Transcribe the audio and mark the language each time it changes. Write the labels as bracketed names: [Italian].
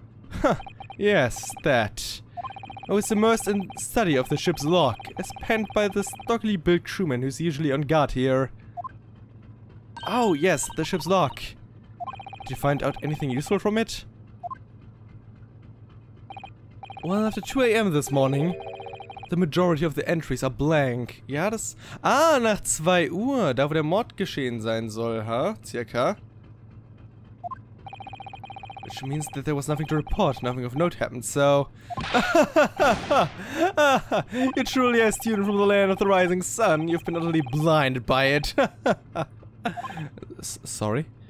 [English] Huh, yes, that. I was immersed in study of the ship's lock, as penned by the stockily built crewman who's usually on guard here. Oh, yes, the ship's lock. Did you find out anything useful from it? Well, after 2 AM this morning, the majority of the entries are blank. [German] Ja, das... Ah, nach 2 Uhr, da wo der Mord geschehen sein soll, ha? Circa. [English] Which means that there was nothing to report, nothing of note happened, so... You're truly a student from the land of the rising sun. You've been utterly blinded by it. Sorry?